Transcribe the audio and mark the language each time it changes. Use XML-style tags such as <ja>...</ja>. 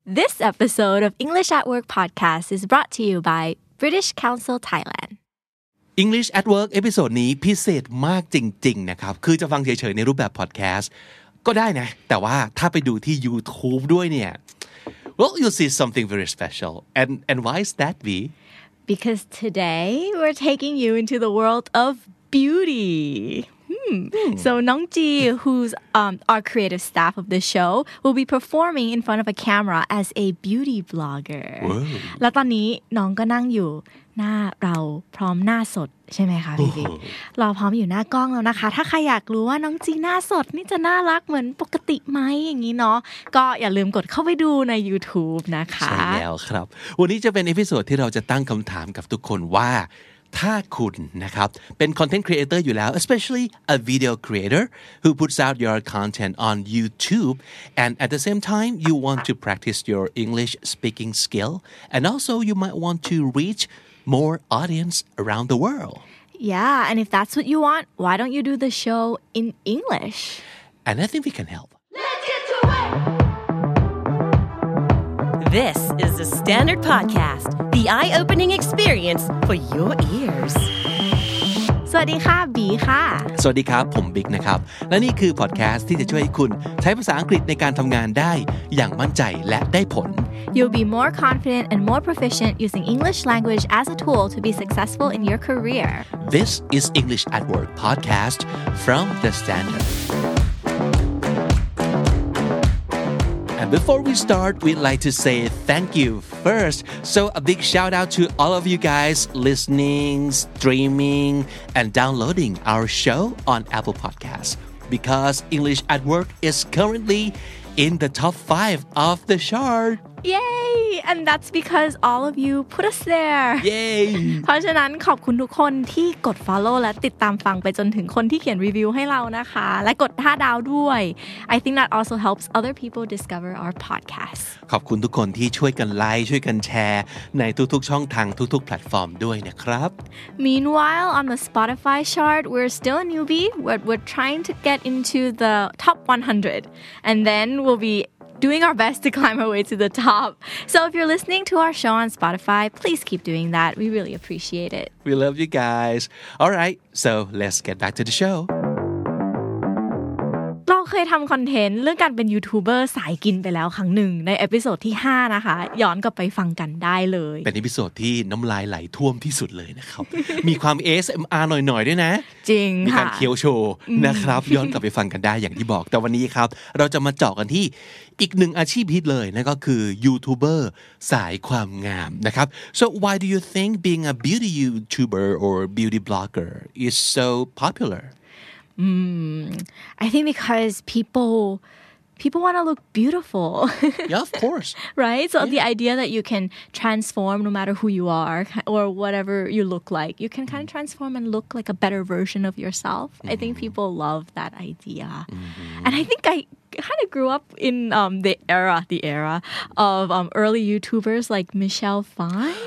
<en>This episode of English at Work podcast is brought to you by British Council Thailand.</en> <th>English at Work เอพิโซดนี้พิเศษมากจริงๆนะครับคือจะฟังเฉยๆในรูปแบบพอดแคสต์ก็ได้นะแต่ว่าถ้าไปดูที่ YouTube ด้วยเนี่ย</th> <en>well you'll see something very special and why is that V? Because today we're taking you into the world of beauty. So Nong Ji, who's our creative staff of the show, will be performing in front of a camera as a beauty blogger. Whoa.</en> <th>และตอนนี้น้องก็นั่งอยู่หน้าเราพร้อมหน้าสดใช่ไหมคะพี่ เราพร้อมอยู่หน้ากล้องแล้วนะคะถ้าใครอยากรู้ว่าน้องจีหน้าสดนี่จะน่ารักเหมือนปกติไหมอย่างนี้เนาะก็อย่าลืมกดเข้าไปดูใน YouTube นะคะ ใช่แล้วครับวันนี้จะเป็นเอพิโซดที่เราจะตั้งคำถามกับทุกคนว่าถ้าคุณนะครับเป็นคอนเทนต์ครีเอเตอร์อยู่แล้ว</th> <en>especially a video creator who puts out your content on YouTube and at the same time you want to practice your English speaking skill and also you might want to reachmore audience around the world. Yeah, and if that's what you want, why don't you do the show in English? And I think we can help. Let's get to it! This is the Standard Podcast, the eye-opening experience for your ears.</en> <th>สวัสดีค่ะบีค่ะ สวัสดีครับผมบิ๊กนะครับและนี่คือพอดแคสต์ที่จะช่วยให้คุณใช้ภาษาอังกฤษในการทำงานได้อย่างมั่นใจและได้ผล</th> <en>You'll be more confident and more proficient using English language as a tool to be successful in your career. This is English at Work podcast from The Standard. And before we start, we'd like to say thank you first. So a big shout out to all of you guys listening, streaming, and downloading our show on Apple Podcasts. Because English at Work is currently in the top 5 of the chart. Yay! And that's because all of you put us there. Yay!</en> <th>เพราะฉะนั้นขอบคุณทุกคนที่กด follow และติดตามฟังไปจนถึงคนที่เขียนรีวิวให้เรานะคะและกด5ดาวด้วย</th> <en>I think that also helps other people discover our podcast.</en> <th>ขอบคุณทุกคนที่ช่วยกันไลค์ช่วยกันแชร์ในทุกๆช่องทางทุกๆแพลตฟอร์มด้วยนะครับ</th> <en>Meanwhile, on the Spotify chart, we're still a newbie. We're trying to get into the top 100. And then we'll beDoing our best to climb our way to the top. So if you're listening to our show on Spotify, please keep doing that. We really appreciate it. We love you guys. All right, so let's get back to the show.</en> <th>เราเคยทำคอนเทนต์เรื่องการเป็นยูทูบเบอร์สายกินไปแล้วครั้งหนึ่งในเอพิโซดที่5นะคะย้อนกลับไปฟังกันได้เลย เป็นเอพิโซดที่น้ำลายไหลท่วมที่สุดเลยนะครับ มีความ ASMR หน่อยๆด้วยนะ จริงค่ะ มีการเคี้ยวโชว์นะครับย้อนกลับไปฟังกันได้อย่างที่บอกแต่วันนี้ครับเราจะมาเจาะกันที่อีกหนึ่งอาชีพฮิตเลยนั่นก็คือยูทูบเบอร์สายความงามนะครับ</th> <en>So why do you think being a beauty YouTuber or beauty blogger is so popular I think because people want to look beautiful. Yeah, of course. Right? So yeah. The idea that you can transform no matter who you are or whatever you look like, you can kind of transform and look like a better version of yourself. Mm-hmm. I think people love that idea. Mm-hmm. And I think I kind of grew up in the era of early YouTubers like Michelle Phan.</en>